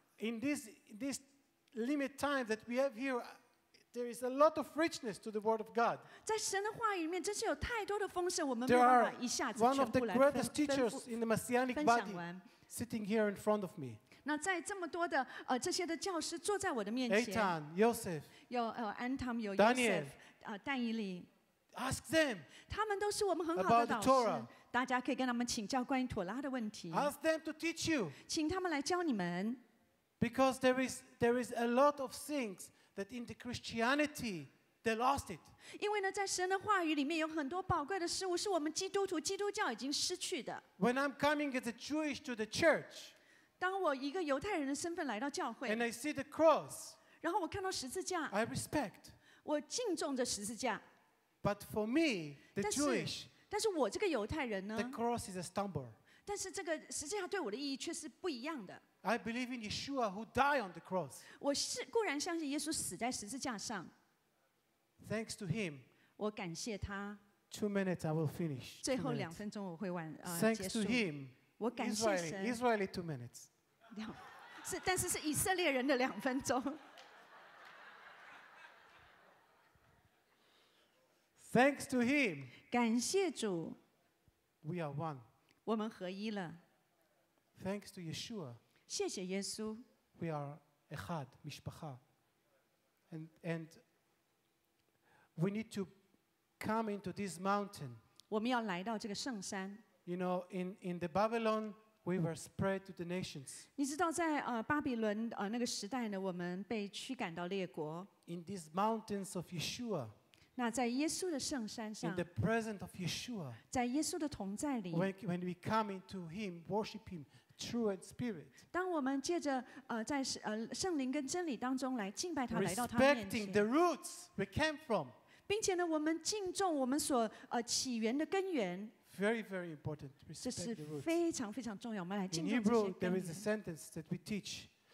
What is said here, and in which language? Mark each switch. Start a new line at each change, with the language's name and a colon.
English: In this limited time that we have here, there is a lot of richness to the Word of God. There are one of the greatest teachers in the Messianic body sitting here in front of me.
Chinese: 那在这么多的, 这些的教师坐在我的面前,
English: Eitan, Yosef,
Chinese: 有, Anton, 有 Yosef,
English: Daniel,
Chinese: 但以理,
English: ask them
Chinese: 他们都是我们很好的导师,
English: about the Torah.
Chinese: 大家可以跟他们请教关于妥拉的问题,
English: ask them to teach you.
Chinese: 请他们来教你们,
English: because there is a lot of things that in the Christianity, they lost it.
Chinese: 因为呢,在神的话语里面有很多宝贵的事物,是我们基督徒,基督教已经失去的.
English: When I'm coming as a Jewish to the church,
Chinese: 当我一个犹太人的身份来到教会,
English: and I see the cross,
Chinese: 然后我看到十字架,
English: I respect.
Chinese: 我敬重着十字架.
English: But for me, the
Chinese: 但是,
English: Jewish,
Chinese: 但是我这个犹太人呢,
English: the cross is a stumble.
Chinese: 但是这个十字架对我的意义却是不一样的.
English: I believe in Yeshua who died on the cross.
Chinese: 我是固然相信耶稣死在十字架上.
English: Thanks to him.
Chinese: 我感谢他.
English: 2 minutes, I will finish.
Chinese: 最后两分钟我会完,
English: thanks to him.
Chinese: 我感谢神.
English: Israeli 2 minutes.
Chinese: 是, 但是是以色列人的两分钟.
English: Thanks to him.
Chinese: 感谢主.
English: We are one.
Chinese: 我们合一了.
English: Thanks to Yeshua.
Chinese: 谢谢耶稣.
English: We are
Hebrew: echad, mishpacha.
English: And we need to come into this mountain.
Chinese: 我们要来到这个圣山.
English: You know, in the Babylon, we were spread to the nations.
Chinese: 你知道在, 巴比伦, 那个时代呢, 我们被驱赶到列国.
English: In these mountains of Yeshua,
Chinese: 那在耶稣的圣山上,
English: in the presence of Yeshua,
Chinese: 在耶稣的同在里,
English: when we come into him, worship him, true and spirit.
Chinese: 当我们借着, 在, 圣灵跟真理当中来敬拜他,
English: respecting the roots we came from.
Chinese: 并且呢, 我们敬重我们所, 起源的根源,
English: very, very important. Respect the roots. In Hebrew, there is a sentence that we teach.